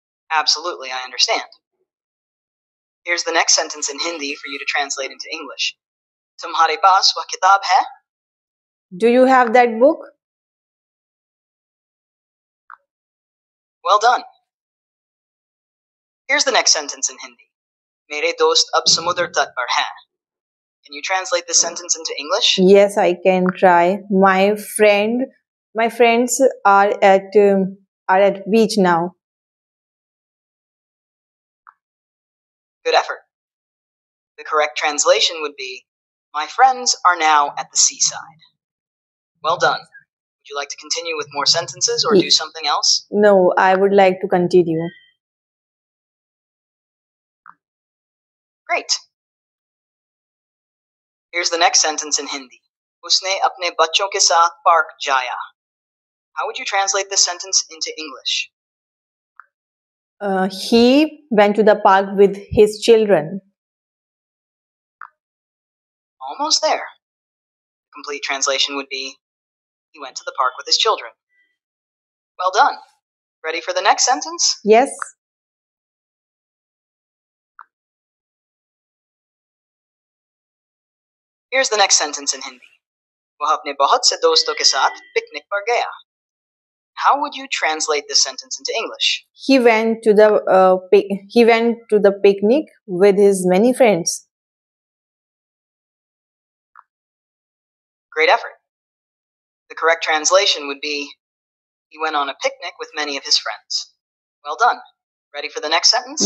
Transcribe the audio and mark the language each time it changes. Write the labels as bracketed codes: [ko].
[en] Absolutely, I understand. Here's the next sentence in Hindi for you to translate into English. [hi] Tumhare paas wa kitab hai? [en] Do you have that book? Well done. Here's the next sentence in Hindi. [hi] मेरे दोस्त अब समुदर तट पर है. [en] Can you translate this sentence into English? Yes, I can try. My friends are at beach now. Good effort. The correct translation would be, my friends are now at the seaside. Well done. Would you like to continue with more sentences or do something else? No, I would like to continue. Great. Here's the next sentence in Hindi. [hi] उसने अपने बच्चों के साथ park जाया. [en] How would you translate this sentence into English? He went to the park with his children. Almost there. The complete translation would be, he went to the park with his children. Well done. Ready for the next sentence? Yes. Here's the next sentence in Hindi. [hi] वो अपने बहुत से दोस्तों के साथ picnic पर गया. [en] How would you translate this sentence into English? He went to the picnic with his many friends. Great effort. The correct translation would be, he went on a picnic with many of his friends. Well done. Ready for the next sentence?